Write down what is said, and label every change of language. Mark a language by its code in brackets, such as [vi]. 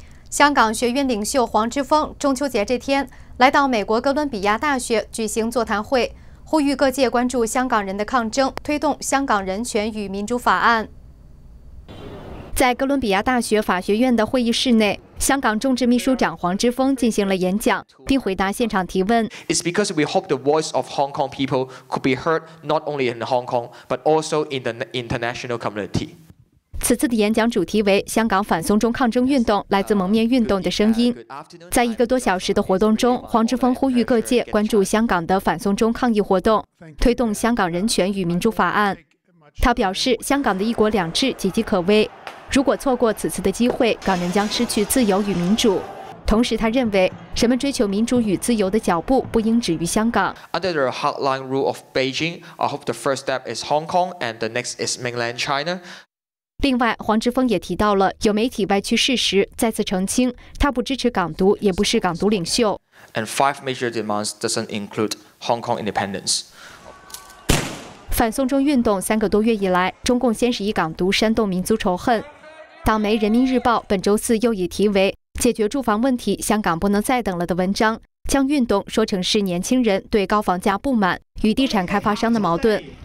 [zh] 香港学院领袖黄之锋中秋节这天来到美国哥伦比亚大学举行座谈会，呼吁各界关注香港人的抗争，推动香港人权与民主法案。在哥伦比亚大学法学院的会议室内，香港众志秘书长黄之锋进行了演讲，并回答现场提问。 [en] It's because we hope the voice of Hong Kong people could be heard not only in Hong Kong, but also in the international community. [zh] 此次的演讲主题为香港反送中抗争运动来自蒙面运动的声音。在一个多小时的活动中，黄之锋呼吁各界关注香港的反送中抗议活动，推动香港人权与民主法案。他表示，香港的一国两制岌岌可危，如果错过此次的机会，港人将失去自由与民主。同时，他认为人们追求民主与自由的脚步不应止于香港。 [en] Under the hardline rule of Beijing, I hope the first step is Hong Kong and the next is mainland China. [zh] 另外，黄之锋也提到了有媒体歪曲事实，再次澄清他不支持港独，也不是港独领袖。 [en] And five major demands doesn't include Hong Kong independence. [zh] 反送中运动三个多月以来，中共先是以港独煽动民族仇恨，党媒《人民日报》本周四又以题为“解决住房问题，香港不能再等了”的文章，将运动说成是年轻人对高房价不满与地产开发商的矛盾。